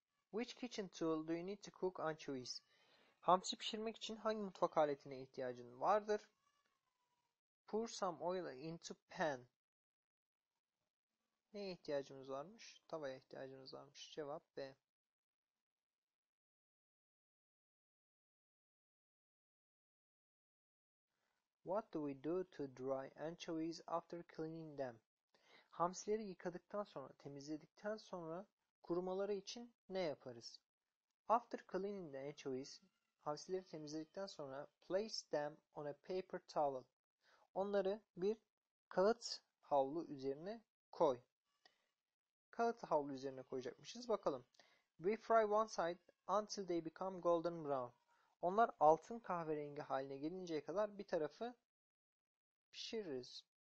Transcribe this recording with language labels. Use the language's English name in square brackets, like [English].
[English] Which kitchen tool do you need to cook anchovies? [Turkish] Hamsi pişirmek için hangi mutfak aletine ihtiyacın vardır? [English] Pour some oil into pan. [Turkish] Neye ihtiyacımız varmış? Tavaya ihtiyacımız varmış. Cevap B. [English] What do we do to dry anchovies after cleaning them? [Turkish] Hamsileri yıkadıktan sonra, temizledikten sonra kurumaları için ne yaparız? [English] After cleaning the anchovies, [Turkish] hamsileri temizledikten sonra [English] place them on a paper towel. [Turkish] Onları bir kağıt havlu üzerine koy. Kağıt havlu üzerine koyacakmışız. Bakalım. [English] We fry one side until they become golden brown. [Turkish] Onlar altın kahverengi haline gelinceye kadar bir tarafı pişiririz.